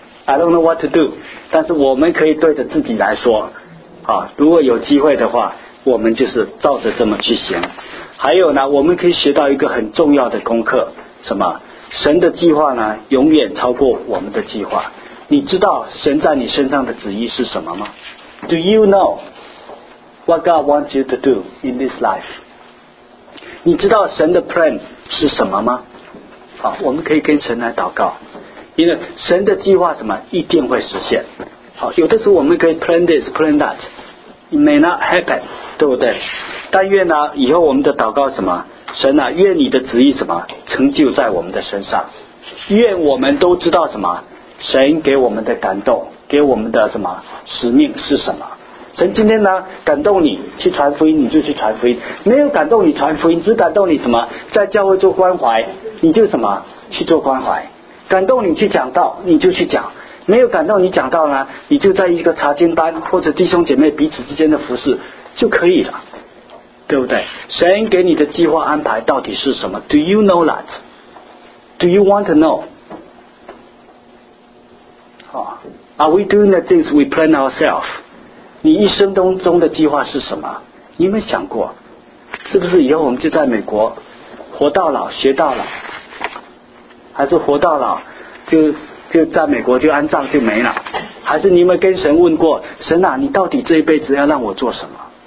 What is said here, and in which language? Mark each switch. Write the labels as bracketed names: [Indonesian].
[English] I don't know what to do， [Chinese] 但是我们可以对着自己来说啊，如果有机会的话，我们就是照着这么去行。还有呢，我们可以学到一个很重要的功课，什么？神的计划呢，永远超过我们的计划。你知道神在你身上的旨意是什么吗？ [English] Do you know what God wants you to do in this life? [Chinese] 你知道神的 plan 是什么吗？好，我们可以跟神来祷告，因为神的计划什么一定会实现。好，有的时候我们可以 [English] plan this, plan that, it may not happen, [Chinese] 对不对？但愿呢，以后我们的祷告什么，神啊，愿你的旨意什么成就在我们的身上，愿我们都知道什么神给我们的感动，给我们的什么使命是什么。神今天呢感动你去传福音，你就去传福音，没有感动你传福音，只感动你什么在教会做关怀，你就什么去做关怀，感动你去讲道，你就去讲，没有感动你讲道呢，你就在一个查经班或者弟兄姐妹彼此之间的服事就可以了，对不对？神给你的计划安排到底是什么？ [English] Do you know that? Do you want to know? Are we doing the things we plan ourselves? [Chinese] 你一生当中的计划是什么？你有没有想过是不是以后我们就在美国活到老学到老，还是活到老就在美国就安葬就没了，还是你们跟神问过，神啊，你到底这一辈子要让我做什么？